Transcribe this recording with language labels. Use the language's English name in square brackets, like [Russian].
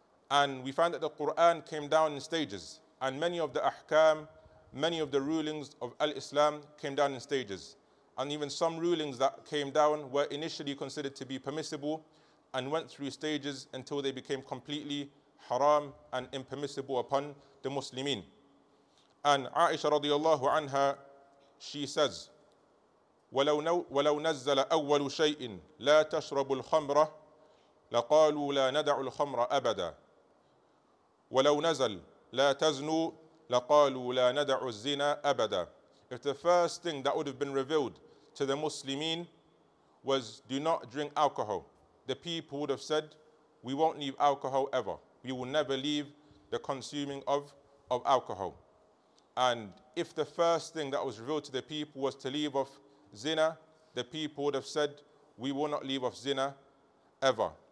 [English] And we find that the Qur'an came down in stages, and many of the ahkam many of the rulings of al-Islam came down in stages. And even some rulings that came down were initially considered to be permissible and went through stages until they became completely haram and impermissible upon the Muslimin. And Aisha radiallahu anha, she says, [Arabic] وَلَوْ نَزَّلَ أَوَّلُ شَيْءٍ لَا تَشْرَبُ الْخَمْرَ لَقَالُوا لَا نَدَعُ الْخَمْرَ أَبَدًا وَلَوْ نَزَلْ لَا تَزْنُوا لَقَالُوا لَا نَدَعُ الزِّنَا أَبَدًا. [English] If the first thing that would have been revealed to the Muslimin was do not drink alcohol, the people would have said, we won't leave alcohol ever. We will never leave the consuming of alcohol. And if the first thing that was revealed to the people was to leave off zina, the people would have said, we will not leave off zina ever.